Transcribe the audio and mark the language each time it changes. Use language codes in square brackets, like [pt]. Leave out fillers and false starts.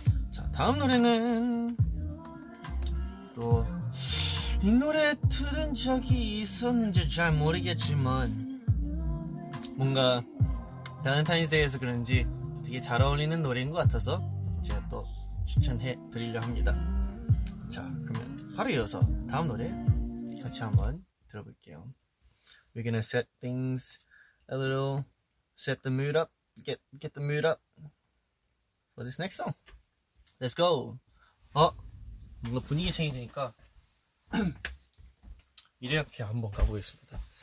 [ko] 자, 다음 노래는 또 이 노래 들은 적이 있었는지 잘 모르겠지만 뭔가 밸런타인스데이에서 그런지 되게 잘 어울리는 노래인 것 같아서 제가 또 추천해 드리려 합니다. 자, 그러면 바로 이어서 다음 노래 같이 한번 들어볼게요. [en] We're gonna set things a little, set the mood up, get the mood up for this next song. Let's go! [ko] 뭔가 분위기 체인지니까 이렇게 한번 가보겠습니다.